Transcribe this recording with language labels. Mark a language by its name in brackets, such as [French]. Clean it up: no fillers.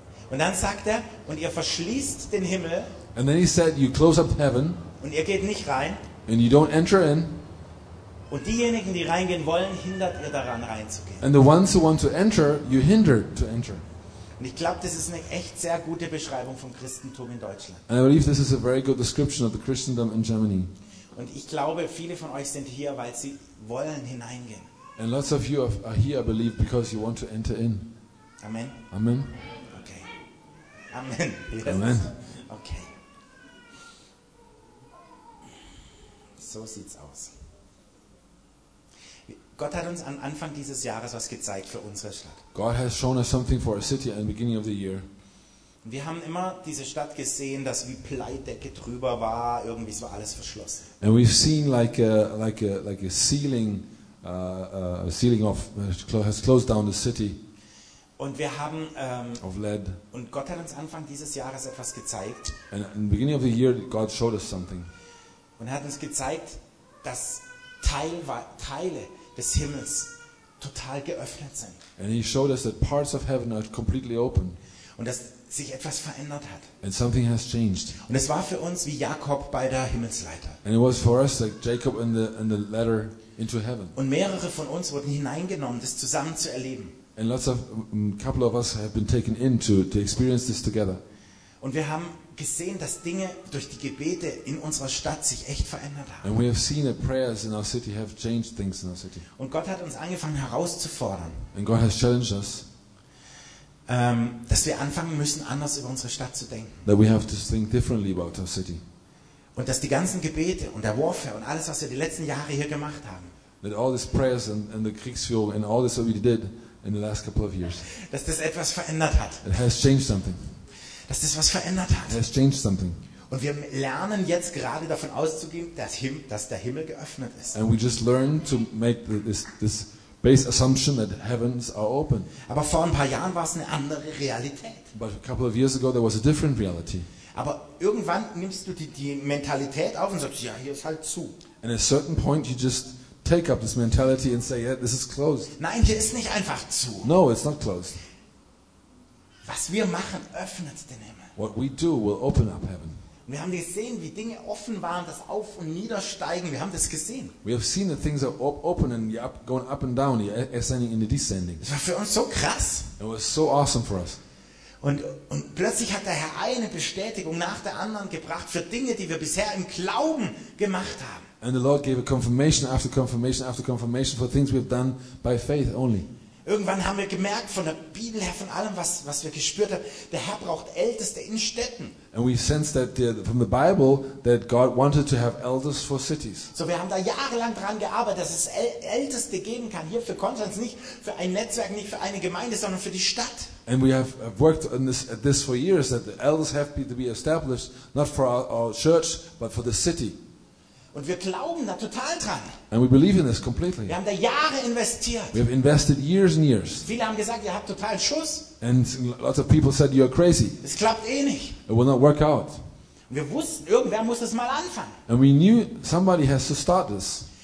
[German] Und dann sagt er, und ihr verschließt den Himmel. [English] And then he said, you close up heaven. [German] Und ihr geht nicht rein. [English] And you don't enter in. [German] Und diejenigen, die reingehen wollen, hindert ihr daran reinzugehen. [English] And the ones who want to enter, you hinder to enter. [German] Und ich glaube, das ist eine echt sehr gute Beschreibung vom Christentum in Deutschland. [English] And I believe this is a very good description of the Christendom in Germany. [German] Und ich glaube, viele von euch sind hier, weil sie wollen hineingehen. [English] And lots of you are here, I believe, because you want to enter in. Amen. Amen. Okay. Amen. Yes. Amen. Okay. [German] So sieht's aus. Gott hat uns am Anfang dieses Jahres was gezeigt für unsere Stadt. [English] God has shown us something for our city at the beginning of the year. [German] Wir haben immer diese Stadt gesehen, dass wie Pleitdecke drüber war, irgendwie so alles verschlossen. [English] And we've seen like a ceiling, ceiling of has closed down the city. [German] Und wir haben [English] of lead. [German] Und Gott hat uns Anfang dieses Jahres etwas gezeigt. [English] And in the beginning of the year, God showed us something. [German] Und hat uns gezeigt, dass Teile des Himmels total geöffnet sind. [English] And he showed us that parts of heaven are completely open. [German] Und dass sich etwas verändert hat. [English] And something has changed. [German] Und es war für uns wie Jakob bei der Himmelsleiter. [English] And it was for us like Jacob in the ladder into heaven. [German] Und mehrere von uns wurden hineingenommen, das zusammen zu erleben. [English] And a couple of us have been taken in to experience this together. [German] Und wir haben gesehen, dass Dinge durch die Gebete in unserer Stadt sich echt verändert haben. [English] And we have seen that prayers in our city have changed things in our city. [German] Und Gott hat uns angefangen herauszufordern. [English] And God has challenged us. [German] Dass wir anfangen müssen, anders über unsere Stadt zu denken. [English] That we have to think differently about our city. [German] Und dass die ganzen Gebete und der Warfare und alles, was wir die letzten Jahre hier gemacht haben. [English] That all these prayers and the Kriegsführung and all this that we did in the last couple of years. [German] Dass das etwas verändert hat. [English] It has changed something. [German] Dass das was verändert hat. [English] It has changed something. [German] Und wir lernen jetzt gerade davon auszugehen, dass der Himmel geöffnet ist. [English] And we just learn to make this base assumption that heavens are open. [German] Aber vor ein paar Jahren war es eine andere Realität. [English] But a couple of years ago there was a different reality. [German] Aber irgendwann nimmst du die Mentalität auf und sagst, ja, hier ist halt zu. [English] And at a certain point you just take up this mentality and say, yeah, this is closed. [German] Nein, hier ist nicht einfach zu. [English] No, it's not closed. [German] Was wir machen, öffnet den Himmel. [English] What we do will open up heaven. [German] Wir haben gesehen, wie Dinge offen waren, das auf und niedersteigen. Wir haben das gesehen. [English] We have seen that things are open and going up and down, ascending and descending. [German] Das war für uns so krass. [English] It was so awesome for us. [German] Und plötzlich hat der Herr eine Bestätigung nach der anderen gebracht für Dinge, die wir bisher im Glauben gemacht haben. [English] And the Lord gave a confirmation after confirmation after confirmation for things we've done by faith only. [German] Irgendwann haben wir gemerkt, von der Bibel her, von allem, was wir gespürt haben, der Herr braucht Älteste in Städten. [English] And we sensed that from the Bible that God wanted to have elders for cities. [German] So wir haben da jahrelang dran gearbeitet, dass es Älteste geben kann, hier für Konstanz, nicht für ein Netzwerk, nicht für eine Gemeinde, sondern für die Stadt. [English] And we have worked on this for years, that the elders have to be established, not for our church, but for the city. [German] Und wir glauben da total dran. [English] And we believe in this completely. [German] Wir haben da Jahre investiert. [English] We have invested years and years. [German] Viele haben gesagt, ihr habt total Schuss. [English] And lots of people said you're crazy. [German] Es klappt eh nicht. [English] It will not work out. [German] Und wir wussten, irgendwer muss es mal anfangen. [English] And we knew somebody has to start this.